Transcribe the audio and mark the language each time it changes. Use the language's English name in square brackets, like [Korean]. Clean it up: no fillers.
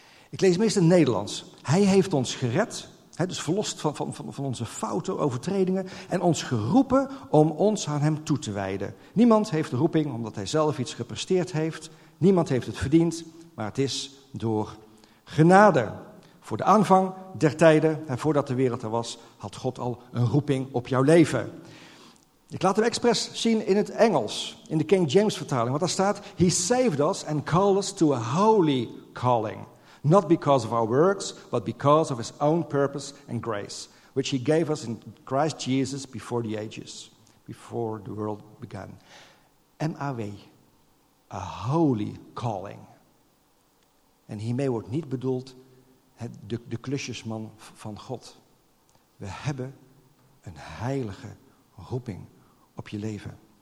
[Dutch] Ik lees meestal in het Nederlands. Hij heeft ons gered, dus verlost van onze fouten, overtredingen, en ons geroepen om ons aan hem toe te wijden. Niemand heeft de roeping omdat hij zelf iets gepresteerd heeft. Niemand heeft het verdiend, maar het is door genade. Voor de aanvang der tijden, en voordat de wereld er was, had God al een roeping op jouw leven. Ik laat hem expres zien in het Engels, in de King James vertaling, want daar staat, [English] He saved us and called us to a holy calling, not because of our works, but because of his own purpose and grace, which he gave us in Christ Jesus before the ages, before the world began. M-A-W, a holy calling. [Dutch] En hiermee wordt niet bedoeld de klusjesman van God. We hebben een heilige roeping op je leven.